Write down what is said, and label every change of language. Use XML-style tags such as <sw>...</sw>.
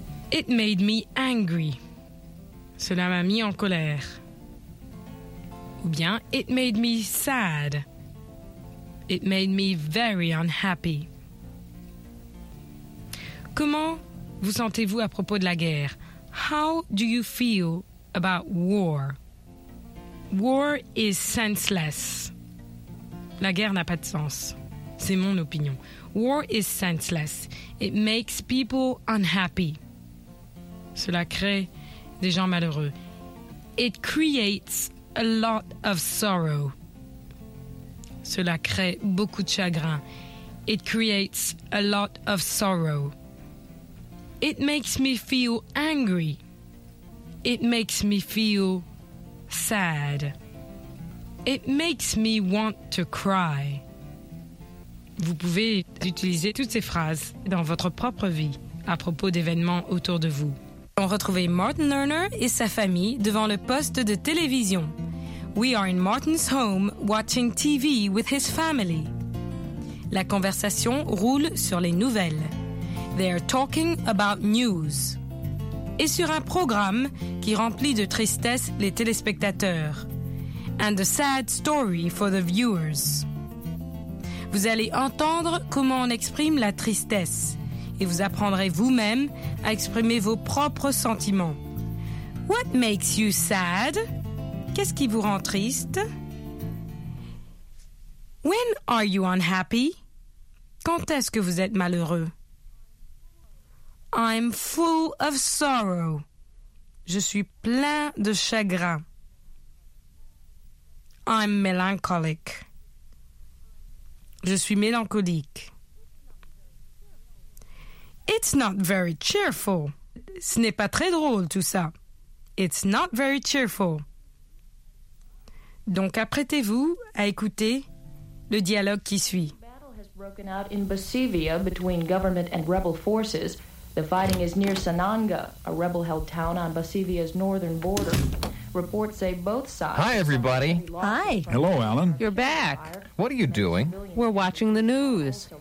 <en>It made me angry.</en> <fr>Cela m'a mis en colère. Ou bien,</fr> <en>it made me sad. It made me very unhappy.</en> <fr>Comment vous sentez-vous à propos de la guerre?</fr> <en>How do you feel about war? War is senseless.</en> <fr>La guerre n'a pas de sens. C'est mon opinion.</fr> <en>War is senseless. It makes people unhappy.</en> <fr>Cela crée des gens malheureux.</fr> <en>It creates a lot of sorrow.</en> <fr>Cela crée beaucoup de chagrin.</fr> <en>It creates a lot of sorrow. It makes me feel angry. It makes me feel sad. It makes me want to cry.</en> <fr>Vous pouvez utiliser toutes ces phrases dans votre propre vie à propos d'événements autour de vous. On retrouvait Martin Lerner et sa famille devant le poste de télévision.</fr> <en>We are in Martin's home watching TV with his family.</en> <fr>La conversation roule sur les nouvelles.</fr> <en>They are talking about news.</en> <fr>Et sur un programme qui remplit de tristesse les téléspectateurs.</fr> <en>And a sad story for the viewers.</en> <fr>Vous allez entendre comment on exprime la tristesse et vous apprendrez vous-même à exprimer vos propres sentiments.</fr> <en>What makes you sad?</en> <fr>Qu'est-ce qui vous rend triste?</fr> <en>When are you unhappy?</en> <fr>Quand est-ce que vous êtes malheureux?</fr> <en>I'm full of sorrow.</en> <fr>Je suis plein de chagrin.</fr> <en>I'm melancholic.</en> <fr>Je suis mélancolique.</fr> <en>It's not very cheerful.</en> <fr>Ce n'est pas très drôle, tout ça.</fr> <en>It's not very cheerful.</en> <fr>Donc, apprêtez-vous à écouter le dialogue qui suit.</fr> <en>Battle has broken out in Basivia between government and rebel forces. The fighting is near Sananga, a rebel-held town on Basivia's northern border. Reports say both sides... Hi, everybody. Hi. Hello, Alan. You're back. What are you doing? We're watching the news.</en>